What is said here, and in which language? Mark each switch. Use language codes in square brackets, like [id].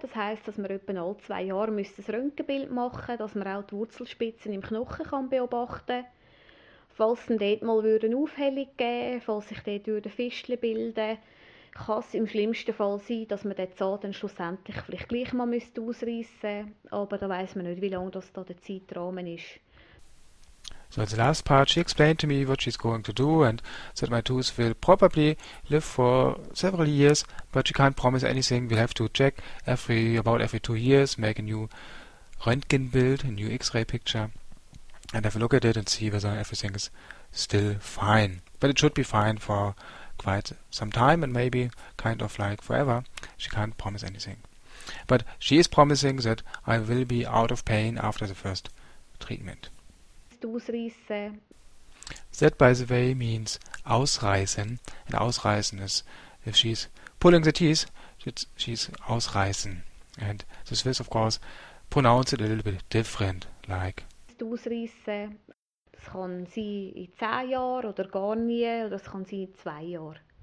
[de] Das heisst, dass man etwa alle 2 Jahre ein Röntgenbild machen muss, dass man auch die Wurzelspitzen im Knochen kann beobachten kann. Falls es dort mal eine Aufhellung geben würde, falls sich dort durch den Fischchen bilden, kann es im schlimmsten Fall sein, dass man den Zahn dann schlussendlich vielleicht gleich mal ausreißen müsste. Aber da weiss man nicht, wie lange das da der Zeitrahmen ist. [en] So, in the last part, she explained to me what she's going to do and said my tooth will probably live for several years, but she can't promise anything. We'll have to check about every 2 years, make a new Röntgenbild, a new X-ray picture, and have a look at it and see whether everything is still fine. But it should be fine for quite some time and maybe kind of like forever. She can't promise anything. But she is promising that I will be out of pain after the first treatment. [de] Ausreißen. [en] That, by the way, means ausreißen. And ausreißen is, if she's pulling the teeth, she's ausreißen. And the Swiss, of course, pronounce it a little bit different, like. [de] Ausreißen. Das kann sie in 10 Jahren oder gar nie, oder das kann sie in 2 Jahren.